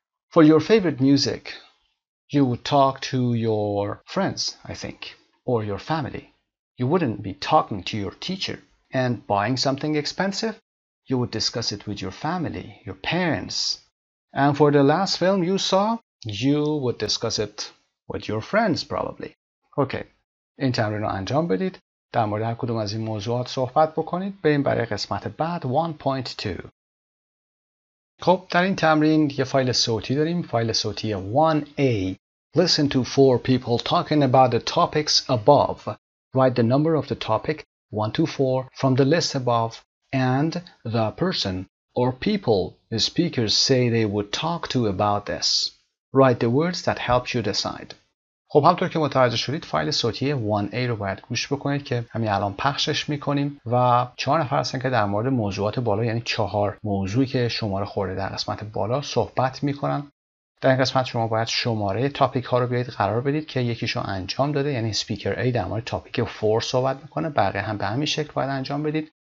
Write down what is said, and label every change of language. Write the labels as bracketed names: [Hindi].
[English] For your favorite music, you would talk to your friends, I think, or your family. You wouldn't be talking to your teacher. And buying something expensive, you would discuss it with your family, your parents. And for the last film you saw, you would discuss it with your friends, probably. [Persian] Okay, این تمرین رو انجام بدید. در مورد هر کدوم از این موضوعات صحبت بکنید. بریم برای قسمت بعد 1.2. خب در این تمرین یه فایل صوتی داریم. فایل صوتی 1A. [English] Listen to four people talking about the topics above. Write the number of the topic 1 to 4 from the list above and the person or people the speakers say they would talk to about this. Write the words that help you decide. [Persian] خب همطور که متوجه شدید فایل صوتی 1A رو باید گوش بکنید که همین الان پخشش میکنیم و چهار نفر هستن که در مورد موضوعات بالا، یعنی چهار موضوعی که شماره خورده در قسمت بالا صحبت میکنن. در این قسمت شما باید شماره تاپیک ها رو بیاید قرار بدید که یکیشو انجام داده، یعنی سپیکر A در مورد تاپیک 4 صحبت میکنه، بقیه هم به همین شکل باید انجام بدید.